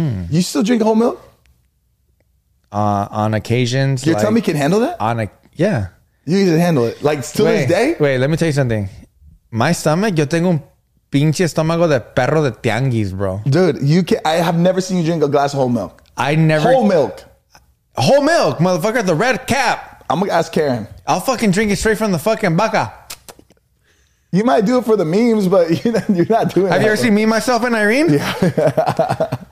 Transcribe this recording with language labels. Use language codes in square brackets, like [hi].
[en] You still drink whole milk? On occasions. Your tummy can handle that? You can handle it. Like still this day? Wait, let me tell you something. My stomach, [es] yo tengo un pinche estómago de perro de tianguis, bro. [en] Dude, I have never seen you drink a glass of whole milk. I never. Whole milk. Whole milk, motherfucker. The red cap. I'm going to ask Karen. I'll fucking drink it straight from the fucking baca. You might do it for the memes, but you're not doing it. Have you ever seen Me, Myself, and Irene? Yeah.